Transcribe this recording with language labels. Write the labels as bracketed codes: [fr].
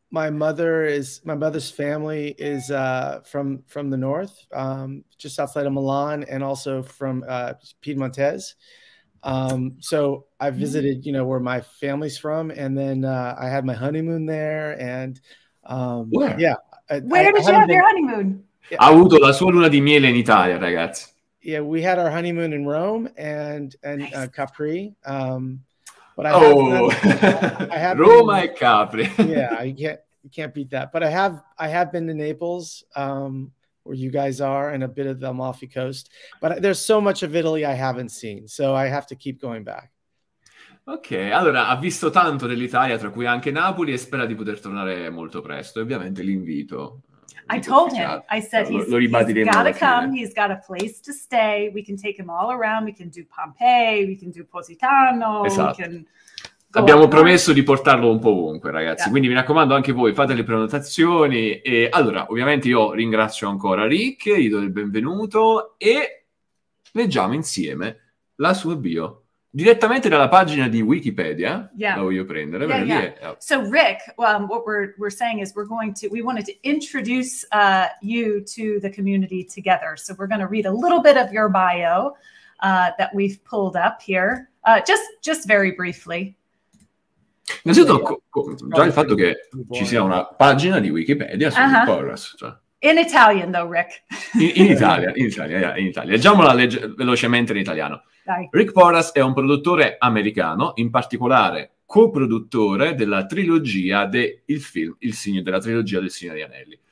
[en] My mother's family is from the north, just outside of Milan, and also from Piedmontese. So I visited, you know, where my family's from, and then I had my honeymoon there. And Where did you have your honeymoon? [it] Ha avuto la sua luna di miele in Italia, ragazzi. [en] Yeah, we had our honeymoon in Rome and nice. Capri. But I had Roma been, e Capri. Yeah, I can't. You can't beat that. But I have been to Naples, where you guys are, and a bit of the Amalfi Coast. But there's so much of Italy I haven't seen, so I have to keep going back. [it] Ok, allora, ha visto tanto dell'Italia, tra cui anche Napoli, e spera di poter tornare molto presto. E ovviamente l'invito. [en] I told him. I said he's got to come. He's got a place to stay. We can take him all around. We can do Pompeii. We can do Positano. [it] Esatto. [en] We can... [it] Abbiamo promesso di portarlo un po' ovunque, ragazzi. [en] Yeah. [it] Quindi mi raccomando, anche voi fate le prenotazioni. E allora, ovviamente io ringrazio ancora Rick, gli do il benvenuto e leggiamo insieme la sua bio. Direttamente dalla pagina di Wikipedia. [en] Yeah. [it] La voglio prendere. [en] Yeah, yeah. So Rick, what we're saying is we wanted to introduce you to the community together. So we're going to read a little bit of your bio that we've pulled up here. Just very briefly. [it] Già il fatto che ci sia una pagina di Wikipedia su PORRAS. Cioè. [en] In Italian, though, Rick. [it] In Italia. Leggiamola velocemente in italiano. Dai. Rick PORRAS è un produttore americano, in particolare co-produttore della trilogia del film Il Signore degli Anelli.